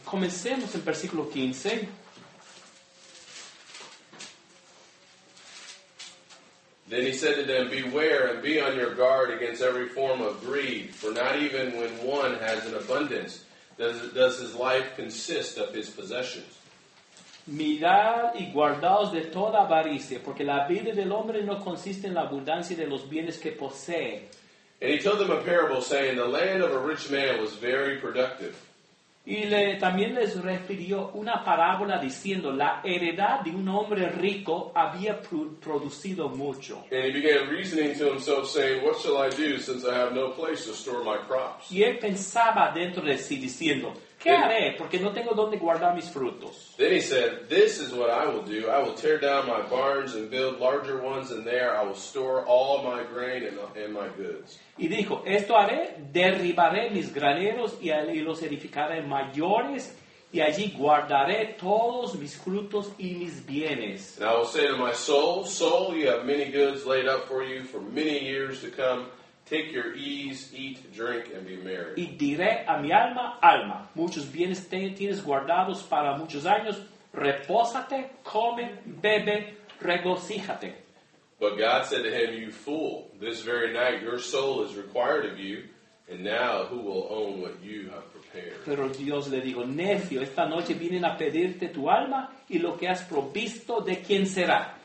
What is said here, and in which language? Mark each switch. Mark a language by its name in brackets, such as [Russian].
[Spanish] Comencemos en versículo 15. [English] Then he said to them, beware and be on your guard against every form of greed, for not even when one has an abundance does his life consist of his possessions. [Spanish] Mirad y guardaos de toda avaricia, porque la vida del hombre no consiste en la abundancia de los bienes que posee. [English] And he told them a parable, saying, the land of a rich man was very productive. [Spanish] Y también les refirió una parábola diciendo, la heredad de un hombre rico había producido mucho. [English] And he began reasoning to himself, saying, what shall I do since I have no place to store my crops? [Spanish] Y él pensaba dentro de sí diciendo, ¿qué haré? Porque no tengo donde guardar mis frutos. [English] Then he said, this is what I will do. I will tear down my barns and build larger ones, and there I will store all my grain and my goods. [Spanish] Y dijo, esto haré, derribaré mis graneros y los edificaré mayores, y allí guardaré todos mis frutos y mis bienes. [English] And I will say to my soul, soul, you have many goods laid up for you for many years to come. Take your ease, eat, drink, and be merry. [Spanish] Y diré a mi alma, alma, muchos bienes tienes guardados para muchos años. Repósate, come, bebe, regocíjate. [English] But God said to him, you fool, this very night your soul is required of you, and now who will own what you have prepared? [Spanish] Pero Dios le dijo, necio, esta noche vienen a pedirte tu alma, y lo que has provisto, ¿de quién será?